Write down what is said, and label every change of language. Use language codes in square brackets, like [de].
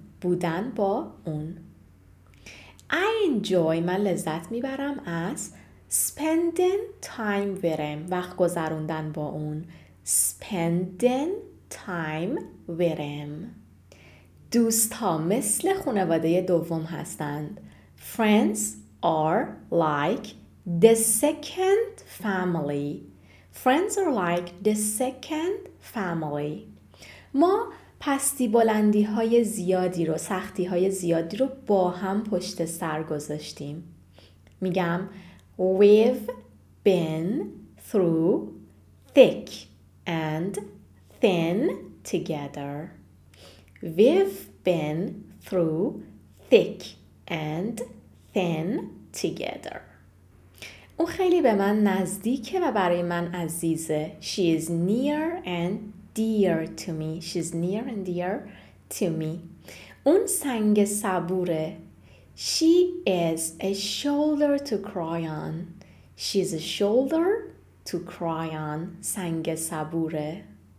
[fa] بودن با اون. [en] I enjoy. [fa] من لذت میبرم از [en] spending time with him. [fa] وقت گذروندن با اون. [en] Spending time with him. [fa] دوست ها مثل خانواده دوم هستند. [en] Friends are like the second family. Friends are like the second family. [fa] ما پستی بلندی های زیادی رو، سختی های زیادی رو با هم پشت سر گذاشتیم. میگم [en] We've been through thick and thin together. We've been through thick and thin together. [fa] او خیلی به من نزدیکه و برای من عزیزه. [en] She is near and dear to me. She is near and dear to me. [fa] اون سنگ صبوره. [en] She is a shoulder to cry on. She is a shoulder to cry on. [fa] سنگ صبوره.